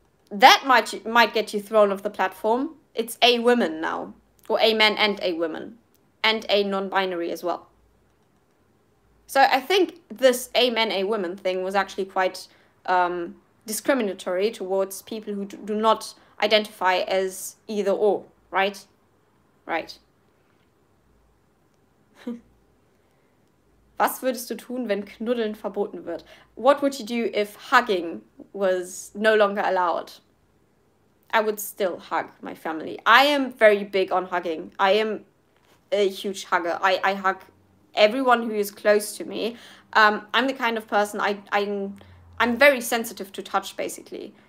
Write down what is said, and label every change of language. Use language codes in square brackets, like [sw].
[en] That might get you thrown off the platform. It's a woman now, or a man and a woman, and a non-binary as well. So I think this a man, a woman thing was actually quite discriminatory towards people who do not identify as either or, right? Right. [de] Was würdest du tun, wenn Knuddeln verboten wird? [en] What would you do if hugging was no longer allowed? I would still hug my family. I am very big on hugging. I am a huge hugger. I hug everyone who is close to me. I'm the kind of person I'm very sensitive to touch, basically.